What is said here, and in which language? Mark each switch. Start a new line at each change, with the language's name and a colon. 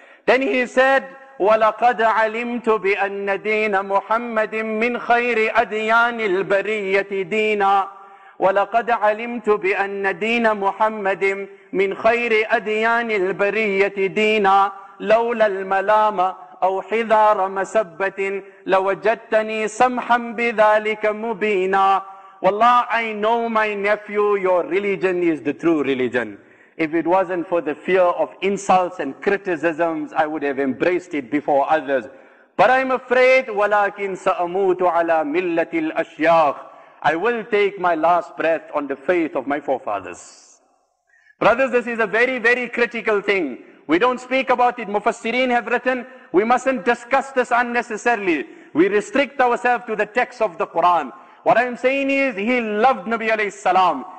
English: Then he said,
Arabic: وَلَقَدْ عَلِمْتُ بِأَنَّ دِينَ مُحَمَّدٍ مِّنْ خَيْرِ أَدْيَانِ الْبَرِيَّةِ دِينَ وَلَقَدْ عَلِمْتُ بِأَنَّ دِينَ مُحَمَّدٍ مِّنْ خَيْرِ أَدْيَانِ الْبَرِيَّةِ دِينَ لَوْلَا الْمَلَامَ أو حذار مسبة لوجدتني سمحا بذلك مبينا.
English: Wallah, I know my nephew, your religion is the true religion. If it wasn't for the fear of insults and criticisms, I would have embraced it before others. But I'm afraid,
Arabic: ولكن سأموت على ملة الأشياخ.
English: I will take my last breath on the faith of my forefathers. Brothers, this is a very, very critical thing. We don't speak about it. Mufassireen have written, we mustn't discuss this unnecessarily. We restrict ourselves to the text of the Quran. What I'm saying is, he loved Nabi alayhi salam.